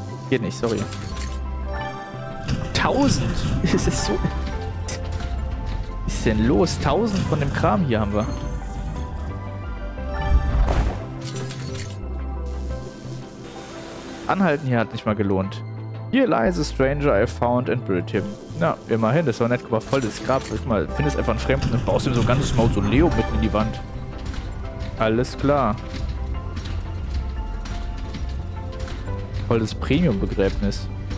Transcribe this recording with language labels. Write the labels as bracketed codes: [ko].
[de] Geht nicht, sorry. 1000! Das ist so. Was ist denn los? 1000 von dem Kram hier haben wir. Anhalten hier hat nicht mal gelohnt. [en] Here lies a stranger I found and buried him. [de] Na, immerhin, das war nett. Guck mal, voll das Grab. Guck mal, findest einfach einen Fremden und baust ihm so ein ganzes Mausoleum mitten in die Wand. Alles klar. Volles Premium-Begräbnis.